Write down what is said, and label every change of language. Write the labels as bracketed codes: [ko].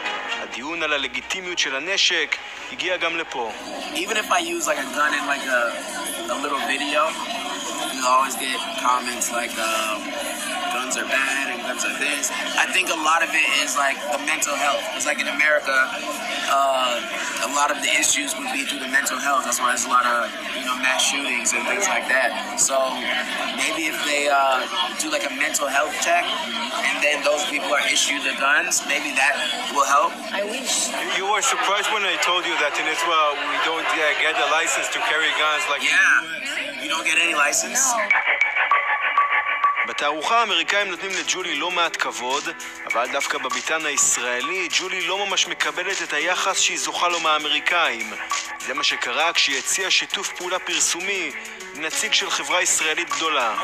[he] הדיון על הלגיטימיות של הנשק הגיע גם לפה. [en] Even if I use like a gun in like a little video, you always get comments like guns are bad and guns are this. I think a lot of it is like the mental health. It's like in America, a lot of the issues would be through the mental health. That's why there's a lot of, you know, mass shootings and things like that. So maybe if they do like a mental health check and then those people are issued the guns, maybe that will help. I wish. You were surprised when I told you that in Israel we don't get a license to carry guns like yeah. You don't get any license? No. [he] בתערוכה האמריקאים נותנים לג'ולי לא מעט כבוד, אבל דווקא בביתן הישראלי, ג'ולי לא ממש מקבלת את היחס שהיא זוכה לו מהאמריקאים. זה מה שקרה כשהיא הציעה שיתוף פעולה פרסומי, נציג של חברה ישראלית גדולה.